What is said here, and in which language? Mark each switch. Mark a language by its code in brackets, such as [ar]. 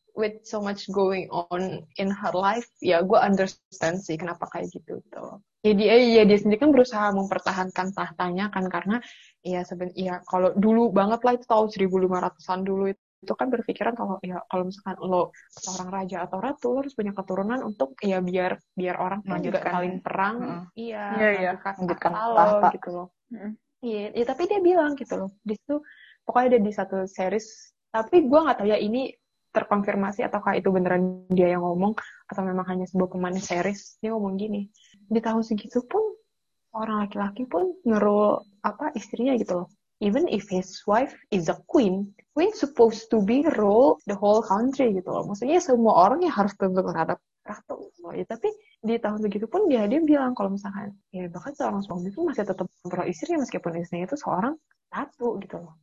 [en] With so much going on in her life, [id] ya gue [en] understand [id] sih kenapa kayak gitu tuh. Ya dia sendiri kan berusaha mempertahankan tahtanya kan, karena ya sebenarnya ya kalau dulu banget lah itu tahun 1500-an dulu itu kan berpikiran kalau ya kalau misalkan lo seorang raja atau ratu, lo harus punya keturunan untuk ya biar orang melanjutkan saling perang. Iya, melanjutkan tahta gitu loh. Iya, tapi dia bilang gitu loh. Di situ pokoknya ada di satu series. Tapi gue gak tahu ya ini terkonfirmasi ataukah itu beneran dia yang ngomong atau memang hanya sebuah pemanis series. Dia ngomong gini, di tahun segitu pun orang laki-laki pun ngerule apa istrinya gitu loh. [en] Even if his wife is a queen, queen supposed to be rule the whole country [id] gitu loh. Maksudnya semua orang yang harus tunduk terhadap ratu loh. Ya, tapi di tahun segitu pun dia bilang kalau misalkan ya bahkan seorang suami itu masih tetap pro istrinya meskipun istrinya itu seorang ratu gitu loh.